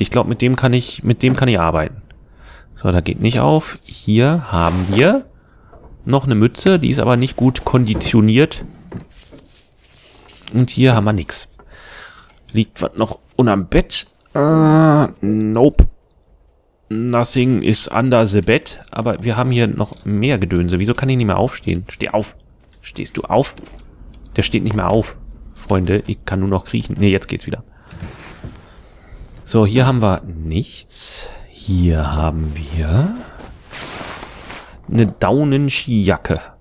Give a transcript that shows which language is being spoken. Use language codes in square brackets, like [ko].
[de] Ich glaube, mit dem kann ich arbeiten. So, da geht nicht auf. Hier haben wir noch eine Mütze. Die ist aber nicht gut konditioniert. Und hier haben wir nichts. Liegt was noch unterm Bett? [en] Nope. Nothing is under the bed. [de] Aber wir haben hier noch mehr Gedönse. Wieso kann ich nicht mehr aufstehen? Steh auf. Stehst du auf? Der steht nicht mehr auf. Freunde, ich kann nur noch kriechen. Ne, jetzt geht's wieder. So, hier haben wir nichts. Hier haben wir eine Daunenskijacke.